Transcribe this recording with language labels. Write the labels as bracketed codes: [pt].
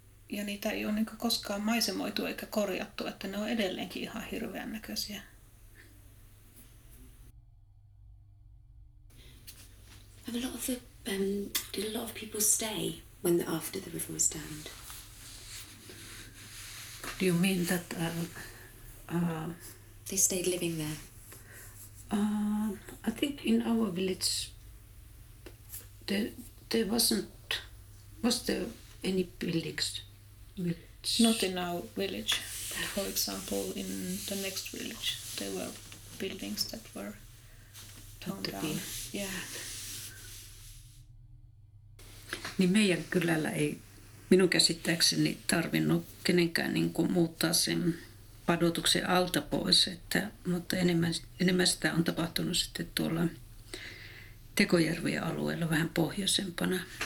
[fi] Ja niitä ei ole niin kuin koskaan maisemoitu eikä korjattu, että ne on edelleenkin ihan hirveän näköisiä. [en] Have a lot of the did a lot of people stay when the, after the river was dammed? Do you mean that they stayed living there? I think in our village there was there any buildings? Not in our village. For example, in the next village, there were buildings that were torn down. Yeah. [fi] Niin meidän kylällä ei minun käsittääkseni tarvinnut kenenkään niin kuin muuttaa sen padotuksen alta pois, että, mutta enemmän sitä on tapahtunut sitten tuolla Tekojärven alueella vähän pohjoisempana.